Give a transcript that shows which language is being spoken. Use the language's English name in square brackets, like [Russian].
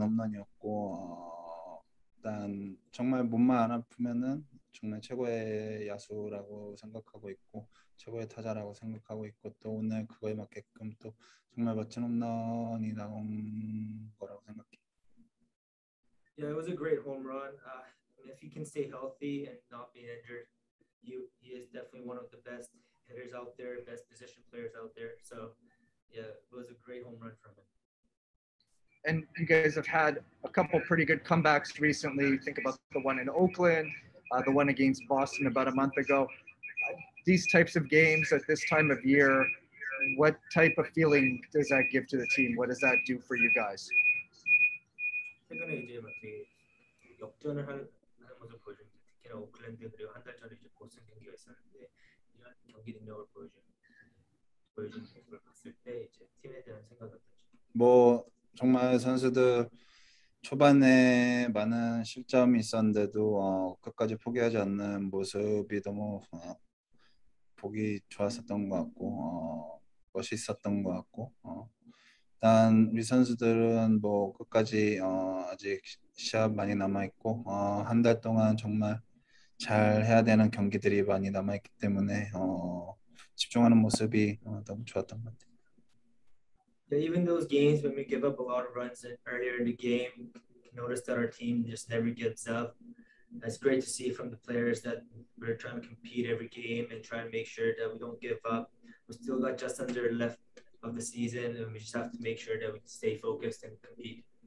[Korean] 홈런이었고 일단 정말 몸만 안 아프면은 정말 최고의 야수라고 생각하고 있고 최고의 타자라고 생각하고 있고 또 오늘 그거에 맞게끔 또 정말 멋진 홈런이 나온 거라고 생각해. [English] Yeah, it was a great home run. If he can stay healthy and not be injured, he is definitely one of the best hitters out there, best position players out there. So, yeah, it was a great home run from him. And you guys have had a couple pretty good comebacks recently. Think about the one in Oakland, the one against Boston about a month ago. These types of games at this time of year, what type of feeling does that give to the team? What does that do for you guys? [Korean] 최근에 이제 역전을 하는 모습 보여준 특히나 오클랜드 그리고 한 달 전에 이제 보스턴 경기가 있었는데 이런 경기 능력을 보여준 모습을 봤을 때 이제 팀에 대한 생각을 했죠. 뭐 정말 선수들 초반에 많은 실점이 있었는데도 끝까지 포기하지 않는 모습이 너무 보기 좋았었던 것 같고 멋있었던 것 같고 일단 우리 선수들은 뭐 끝까지 아직 시합 많이 남아있고 한 달 동안 정말 잘 해야 되는 경기들이 많이 남아있기 때문에 집중하는 모습이 너무 좋았던 것 같아요. [English] Even those games when we give up a lot of runs earlier in the game, notice that our team just never gives up. That's great to see from the players that we're trying to compete every game and try to make sure that we don't give up. We've still got just under left of the season and we just have to make sure that we stay focused and compete.